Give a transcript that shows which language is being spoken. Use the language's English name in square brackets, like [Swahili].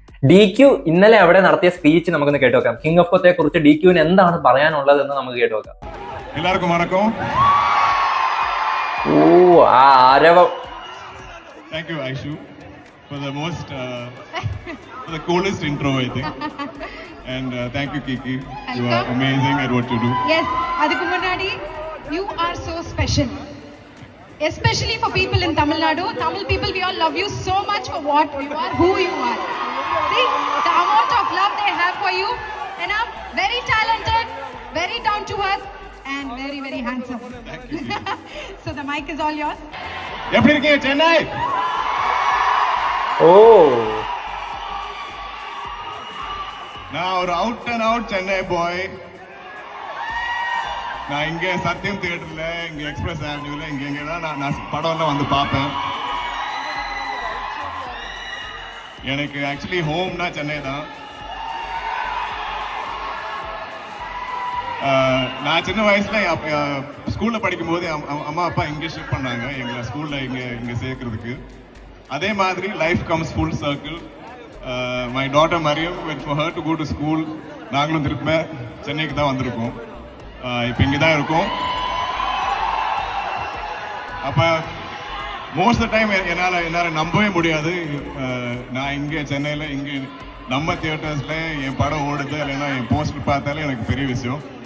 [Malayalam] D Q ഇന്നലെ അവിടെ നടത്തിയ സ്പീച്ച് നമുക്കൊന്ന് കേട്ടുവെക്കാം. കിങ് ഓഫ് കൊത്തയെ കുറിച്ച് ഡി ക്യുവിന് എന്താണ് പറയാനുള്ളത് എന്ന് നമുക്ക് കേട്ടുവെക്കാം. [Tamil] എല്ലാവർക്കും വണക്കം. ഓ ആ Arwah [English] Thank you Ayshu for the most for the coolest intro I think. And thank you, Kiki. Welcome. You are amazing at what you do. Yes, Adikumanadi, you are so special. Especially for people in Tamil Nadu. Tamil people, we all love you so much for what you are, who you are. See, the amount of love they have for you. And I'm very talented, very down to earth, and very, very handsome. Thank you. So the mic is all yours. [Tamil] Eppadi irukkeenga, Chennai? Oh. நான் ஒரு [English] Out and out Chennai boy. [Tamil] நான் இங்க சத்யம் தியேட்டர்ல, இங்க express ஆவென்யூல, இங்க எங்க தான் நான் படம் எல்லாம் வந்து பார்ப்பேன். எனக்கு ஆக்சுவலி ஹோம்னா சென்னை தான். நான் சின்ன வயசுல ஸ்கூல்ல படிக்கும் போது அம்மா அப்பா இங்க ஷிஃப்ட் பண்ணாங்க எங்களை ஸ்கூல்ல இங்க சேர்க்கறதுக்கு. [English] அதே மாதிரி life comes full circle. My daughter Mariam went for her to go to school. [Tamil] நாங்களும் திருப்பி சென்னைக்கு தான் வந்திருக்கோம். இப்ப இங்கதான் இருக்கோம். அப்ப [English] most of time [Tamil] என்னால நம்பவே முடியாது. நான் இங்க சென்னையில இங்க நம்ம தியேட்டர்ஸ்ல என் படம் ஓடுது, இல்லைன்னா என் போஸ்டர் பார்த்தாலும் எனக்கு பெரிய விஷயம்.